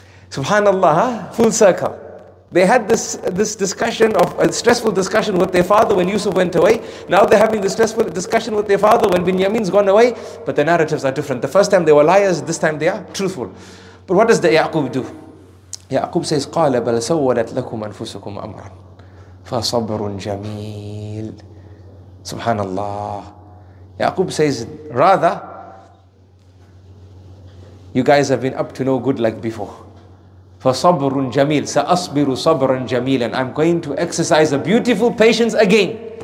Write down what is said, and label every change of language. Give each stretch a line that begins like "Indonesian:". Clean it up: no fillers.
English: Subhanallah, huh? Full circle. They had this discussion of a stressful discussion with their father when Yusuf went away. Now they're having this stressful discussion with their father when Binyamin's gone away. But the narratives are different. The first time they were liars, this time they are truthful. But what does the Ya'qub do? Ya'qub says,
Arabic: قَالَ بَلْ سَوَّلَتْ لَكُمْ أَنفُسُكُمْ أَمْرًا فَصَبْرٌ جَمِيلٌ.
English: Subhanallah. Ya'qub says, rather, you guys have been up to no good like before.
Arabic: فَصَبْرٌ جَمِيلٌ سَأَصْبِرُ صَبْرًا جَمِيلًا.
English: I'm going to exercise a beautiful patience again.